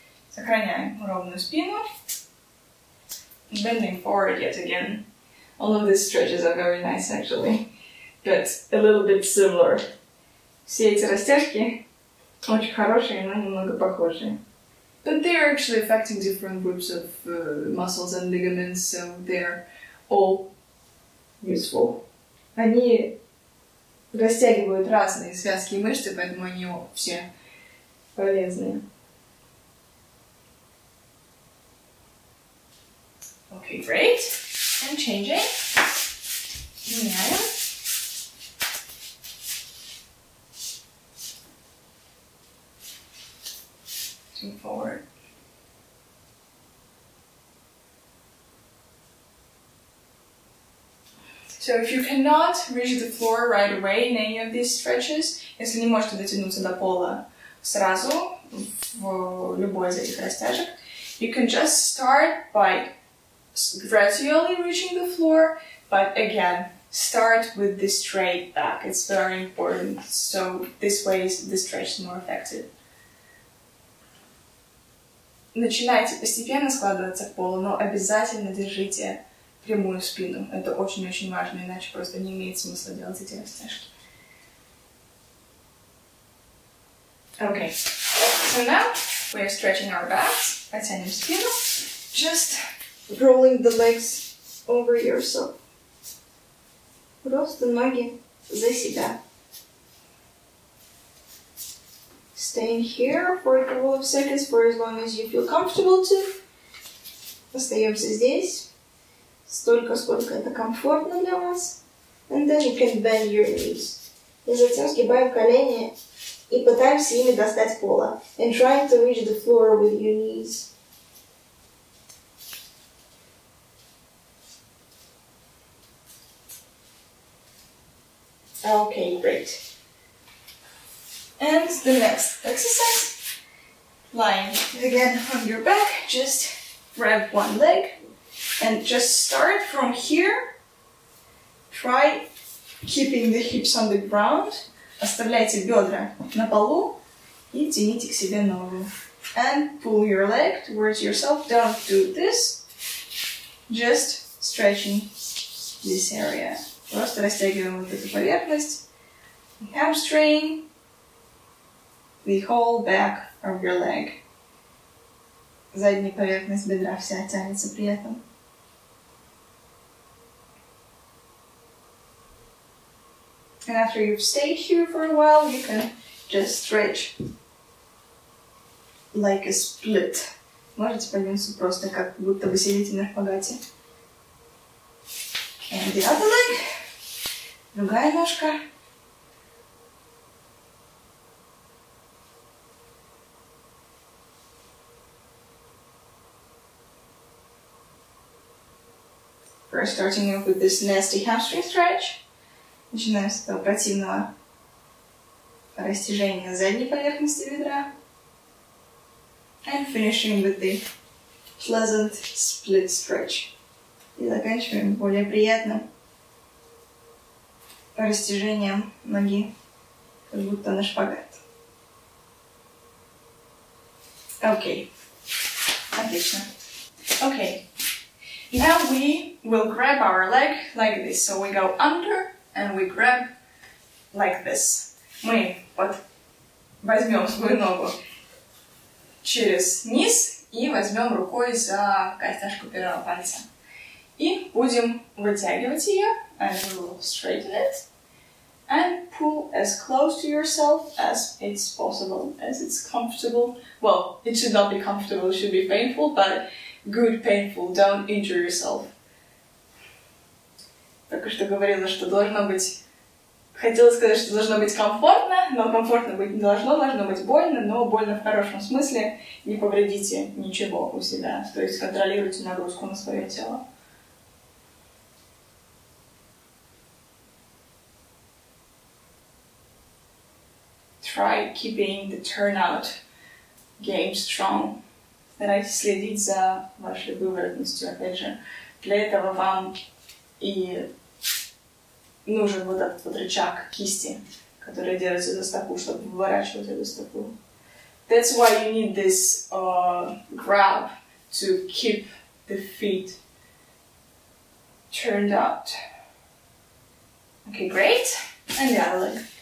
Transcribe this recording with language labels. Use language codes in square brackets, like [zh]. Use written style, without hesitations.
[ru] Сохраняем ровную спину. [en] Bending forward yet again. All of these stretches are very nice actually, but a little bit similar. [ru] Все эти растяжки очень хорошие, но немного похожие. [en] But they are actually affecting different groups of muscles and ligaments, so they're all useful. [ru] Они растягивают разные связки и мышцы, поэтому они все полезные. [en] Okay, great. And changing. [ru] Меняем. [en] Forward. So if you cannot reach the floor right away in any of these stretches, [ru] если не можете дотянуться до пола сразу в любой из этих растяжек, [en] you can just start by gradually reaching the floor, but again, start with the straight back. It's very important. So this way the stretch is more effective. [ru] Начинайте постепенно складываться в полу, но обязательно держите прямую спину. Это очень-очень важно, иначе просто не имеет смысла делать эти растяжки. [en] Okay. So now we are stretching our backs. [ru] Потянем спину. [en] Just rolling the legs over yourself. [ru] Просто ноги за себя. [en] Staying here for a couple of seconds, for as long as you feel comfortable to. [ru] Остаемся здесь. Столько, сколько это комфортно для вас. [en] And then you can bend your knees. [ru] И затем сгибаем колени и пытаемся ими достать пола. [en] And trying to reach the floor with your knees. Okay, great. And the next exercise, lying again on your back, just grab one leg and just start from here. Try keeping the hips on the ground. [ru] Оставляйте бедра на полу и тяните к себе ногу. [en] And pull your leg towards yourself. Don't do this. Just stretching this area. [ru] Просто растягиваем вот эту поверхность. [en] Hamstring. The whole back of your leg. [ru] Задняя поверхность бедра вся тянется при этом. [en] And after you've stayed here for a while, you can just stretch like a split. [ru] Можете повернуться просто, как будто вы сидите на шпагате. [en] And the other leg. [ru] Другая ножка. [en] First, starting off with this nasty hamstring stretch. [ru] Начинаем с этого противного растяжения задней поверхности бедра. [en] And finishing with the pleasant split stretch. [ru] И заканчиваем более приятным растяжением ноги, как будто на шпагат. [en] Okay. [ru] Отлично. [en] Okay. Now we will grab our leg like this. So we go under and we grab like this. [ru] Мы вот возьмем свою ногу через низ и возьмем рукой за костяшку первого пальца. И будем вытягивать ее. [en] And we will straighten it. And pull as close to yourself as it's possible, as it's comfortable. Well, it should not be comfortable, it should be painful, but good painful, don't injure yourself. [ru] Только что говорила, что должно быть... Хотела сказать, что должно быть комфортно, но комфортно быть не должно, должно быть больно, но больно в хорошем смысле. Не повредите ничего у себя, то есть контролируйте нагрузку на свое тело. [en] Try keeping the turnout game strong. [ru] Старайтесь следить за вашей выворотностью, опять же. Для этого вам и нужен вот этот вот рычаг кисти, который держится за стопу, чтобы выворачивать эту стопу. [en] That's why you need this grab to keep the feet turned out. Okay, great. And the other leg.